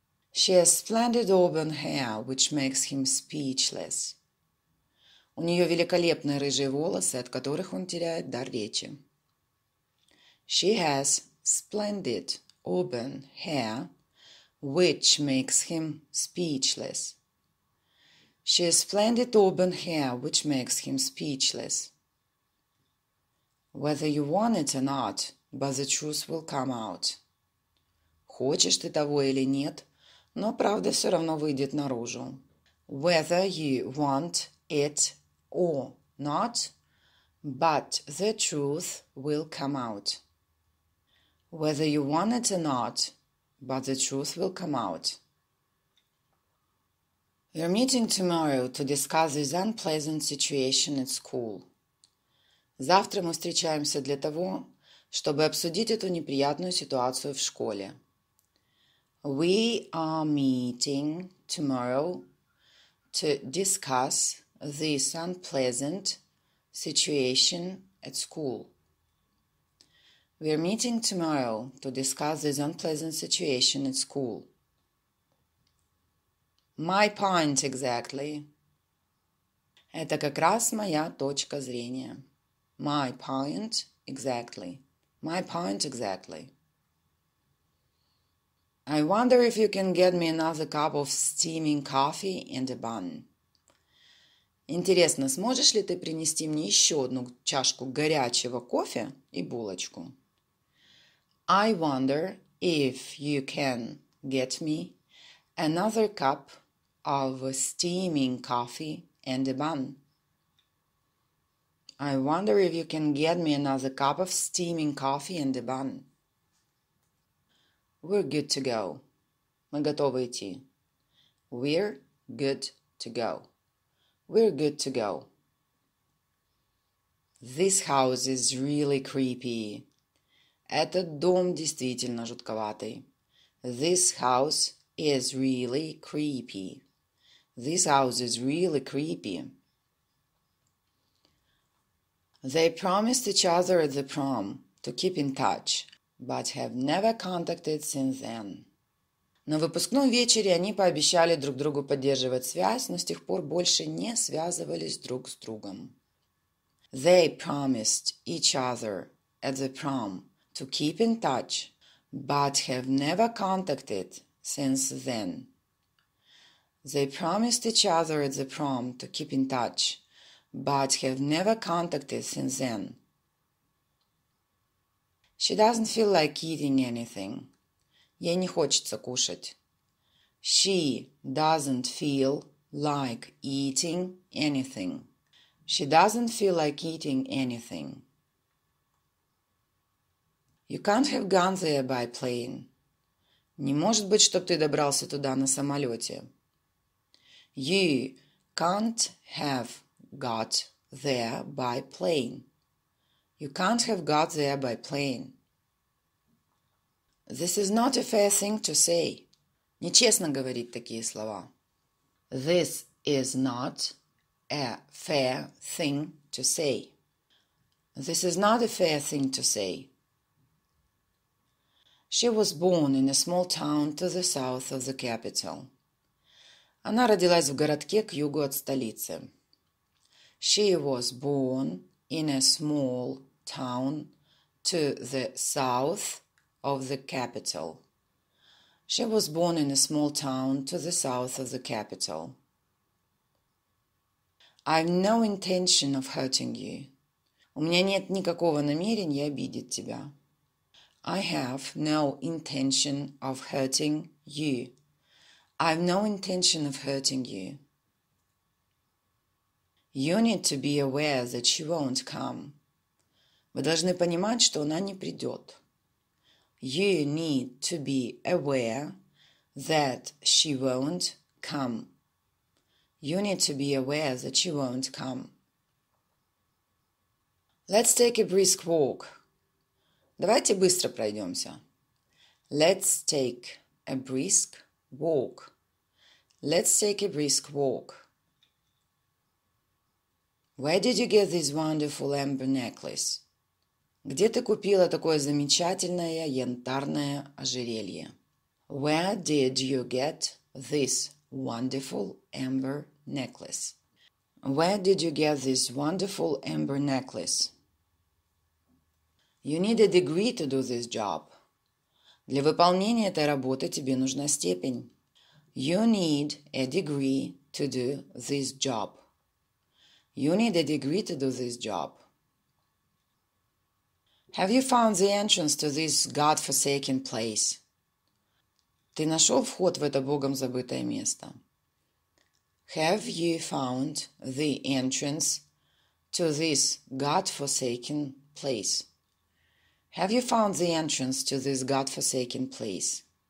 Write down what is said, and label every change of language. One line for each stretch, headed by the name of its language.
English: She has splendid auburn hair, which makes him speechless.
Russian: У нее великолепные рыжие волосы, от которых он теряет дар речи.
English: She has splendid auburn hair, which makes him speechless. She has splendid auburn hair, which makes him speechless. Whether you want it or not, but the truth will come out.
Russian: Хочешь ты того или нет, но правда все равно выйдет наружу.
English: Whether you want it or not, but the truth will come out. Whether you want it or not, but the truth will come out. We're meeting tomorrow to discuss this unpleasant situation at school.
Russian: Завтра мы встречаемся для того, чтобы обсудить эту неприятную ситуацию в школе.
English: We are meeting tomorrow to discuss this unpleasant situation at school. We are meeting tomorrow to discuss this unpleasant situation at school. My point exactly.
Russian: Это как раз моя точка зрения.
English: My point exactly. My point exactly. I wonder if you can get me another cup of steaming coffee and a bun.
Russian: Интересно, сможешь ли ты принести мне еще одну чашку горячего кофе и булочку?
English: I wonder if you can get me another cup of steaming coffee and a bun. I wonder if you can get me another cup of steaming coffee and a bun. We're good to go.
Russian: Мы готовы идти.
English: We're good to go. We're good to go. This house is really creepy.
Russian: Этот дом действительно жутковатый.
English: This house is really creepy. This house is really creepy. They promised each other at the prom to keep in touch, but have never contacted since then.
Russian: На выпускном вечере они пообещали друг другу поддерживать связь, но с тех пор больше не связывались друг с другом.
English: They promised each other at the prom to keep in touch, but have never contacted since then. They promised each other at the prom to keep in touch, but have never contacted since then. She doesn't feel like eating anything.
Russian: Ей не хочется кушать.
English: She doesn't feel like eating anything. She doesn't feel like eating anything. You can't have gone there by plane.
Russian: Не может быть, чтоб ты добрался туда на самолете.
English: You can't have got there by plane. You can't have got there by plane. This is not a fair thing to say.
Russian: Нечестно говорить такие слова.
English: This is not a fair thing to say. This is not a fair thing to say. She was born in a small town to the south of the capital.
Russian: Она родилась в городке к югу от столицы.
English: She was born in a small town to the south of the capital. She was born in a small town to the south of the capital. I've no intention of hurting you.
Russian: У меня нет никакого намерения обидеть тебя.
English: I have no intention of hurting you. I have no intention of hurting you. You need to be aware that she won't come.
Russian: Вы должны понимать, что она не придет.
English: You need to be aware that she won't come. You need to be aware that she won't come. Let's take a brisk walk.
Russian: Давайте быстро пройдемся.
English: Let's take a brisk walk. Let's take a brisk walk. Where did you get this wonderful amber necklace?
Russian: Где ты купила такое замечательное янтарное ожерелье?
English: Where did you get this wonderful amber necklace? Where did you get this wonderful amber necklace? You need a degree to do this job.
Russian: Для выполнения этой работы тебе нужна степень.
English: You need a degree to do this job. You need a degree to do this job. Have you found the entrance to this godforsaken place?
Russian: Ты нашел вход в это богом забытое место?
English: Have you found the entrance to this godforsaken place? Have you found the entrance to this godforsaken place?